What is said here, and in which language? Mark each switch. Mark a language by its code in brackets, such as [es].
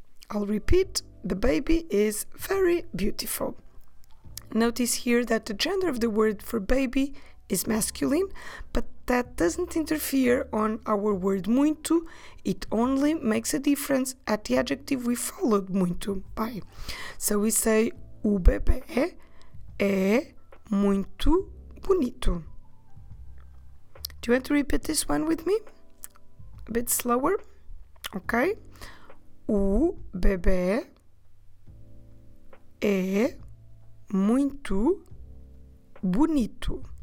[en] I'll repeat, the baby is very beautiful. Notice here that the gender of the word for baby is masculine, but that doesn't interfere on our word muito. It only makes a difference at the adjective we followed muito by. So we say, [pt] o bebê é muito bonito. [en] Do you want to repeat this one with me? A bit slower? Okay. [pt] O bebê é muito bonito.